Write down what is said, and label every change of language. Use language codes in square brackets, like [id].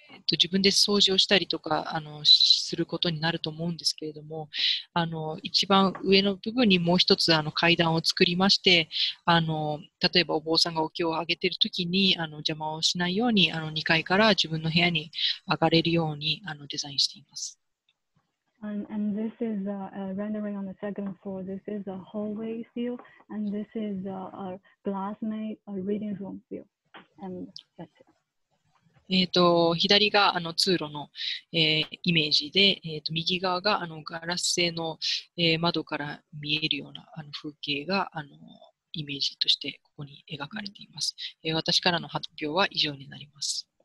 [ja] 自分で掃除をしたりとかすることになると思うんですけれども一番上の部分にもう一つ階段を作りまして例えばお坊さんがお経をあげているときに邪魔をしないように2階から自分の部屋に上がれるようにデザインしています。 [en] And this is a rendering on the second floor. This is a hallway view, and this is a glass made a reading room view. And that's it. [ja] 左が通路の、イメージで、右側がガラス製の、窓から見えるような風景がイメージとしてここに描かれています。私からの発表は以上になります。